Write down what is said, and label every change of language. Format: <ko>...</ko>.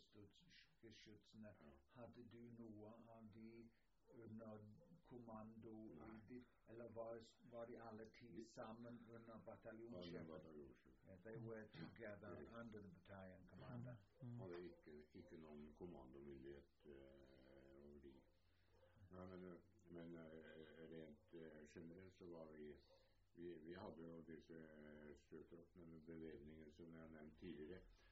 <no>Sturmgeschützene, hadde du noe av de under kommando, eller var de alle ti sammen under bataljonssjefen?</no> <en>They were together under the battalion commander.</en> <no>Hadde ikke noen kommandomyndighet over de. Men rent generelt så var vi hadde jo disse støttroppene med bevevninger som jeg nevnte tidligere.</no>